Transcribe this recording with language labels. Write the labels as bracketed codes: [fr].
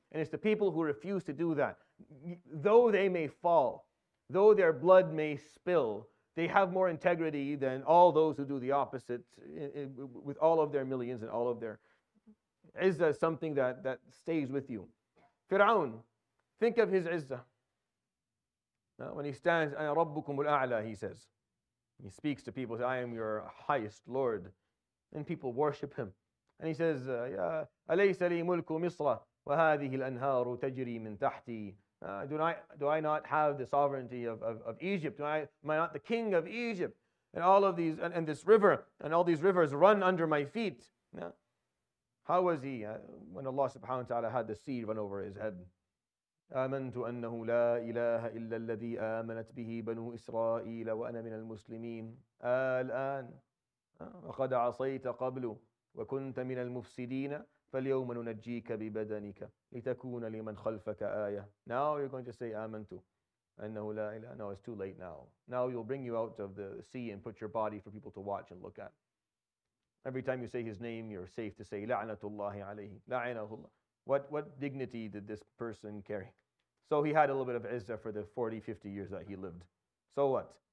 [en] And it's the people who refuse to do that. Though they may fall, though their blood may spill, they have more integrity than all those who do the opposite with all of their millions and all of their izzah is something that stays with you. Fir'aun, think of his izzah. Now, when he stands, [ar] أَنَا رَبُّكُمُ الْأَعْلَى, [en] he says. He speaks to people, says, I am your highest Lord. And people worship him. And he says, [ar] أَلَيْسَ لِي مُلْكُ مِصْرَ وَهَذِهِ الْأَنْهَارُ تَجْرِي مِنْ تَحْتِي. [en] Do I not have the sovereignty of Egypt? Am I not the king of Egypt? And all of these, and this river, and all these rivers run under my feet. Yeah. How was he when Allah subhanahu wa ta'ala had the sea run over his head? [ar] آمنت أنه لا إله إلا الذي آمنت به بنو إسرائيل وأنا من المسلمين. الآن وقد عصيت قبل وكنت من المفسدين. فَالْيَوْمَ نُنَجِّيكَ بِبَدَنِكَ لِتَكُونَ لِمَنْ خَلْفَكَ آيَةٌ. [en] Now you're going to say [ar] آمَنْتُ أَنَّهُ لَا إِلَهَ. [en] No, it's too late now. Now you'll bring you out of the sea and put your body for people to watch and look at. Every time you say his name, you're safe to say [ar] لَعْنَةُ اللَّهِ عَلَيْهِ. لَعْنَهُ اللَّهِ. [en] What dignity did this person carry? So he had a little bit of izzah for the 40, 50 years that he lived. So what?